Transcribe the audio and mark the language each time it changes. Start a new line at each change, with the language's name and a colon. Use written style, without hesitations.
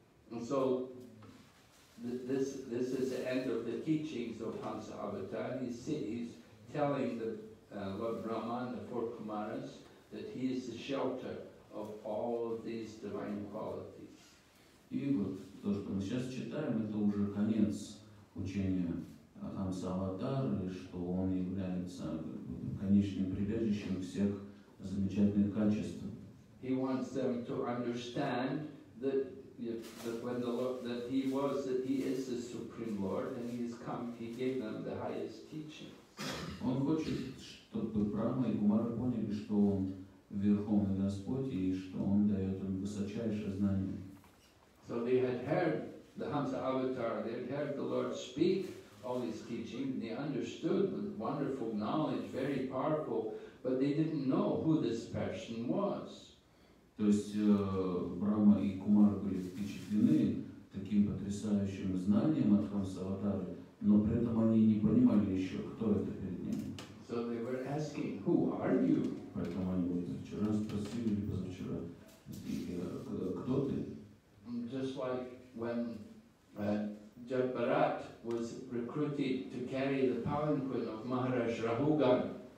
English: And so this is the end of the teachings of Hamsa Avatar. He's telling the Lord Brahman, the four Kumaras, that he is the shelter of all of these divine qualities.
Russian: И вот то, что мы сейчас читаем, это уже конец учения Хамса Аватары, что он является конечным прибежищем всех замечательных качеств.
English: He wants them to understand that he is the Supreme Lord, and he has come, he gave them the highest teaching.
Russian: Он хочет, чтобы Брама и Кумара поняли, что он Верховный Господь и что он дает им высочайшее знание.
English: So they had heard the Hamsa Avatar, they had heard the Lord speak all his teaching, they understood the wonderful knowledge, very powerful, but they didn't know who this person was.
Russian: То есть Брама и Кумар были впечатлены таким потрясающим знанием от Хамса Аватары, но при этом они не понимали еще, кто это перед ними.
English: So they were asking, who are you?
Russian: Поэтому они вчера спросили, или позавчера, кто ты?
English: Just like when Jagbarat was recruited to carry the palanquin of Maharaj Rahugan.